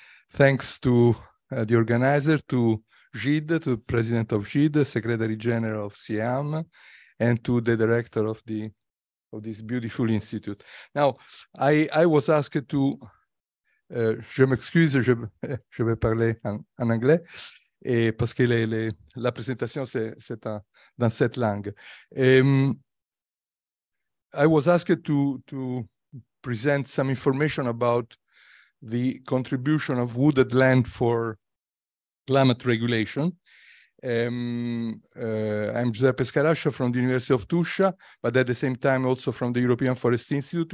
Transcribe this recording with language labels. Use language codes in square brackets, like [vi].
[en] Thanks to the organizer, to Gide, to the president of Gide, secretary general of CIHEAM, and to the director of this beautiful institute. Now, I was asked to, [fr] je m'excuse, je vais parler en anglais, et parce que la présentation c'est dans cette langue. [en] I was asked to present some information about the contribution of wooded land for climate regulation. I'm Giuseppe Scarascia from the University of Tuscia, but at the same time also from the European Forest Institute.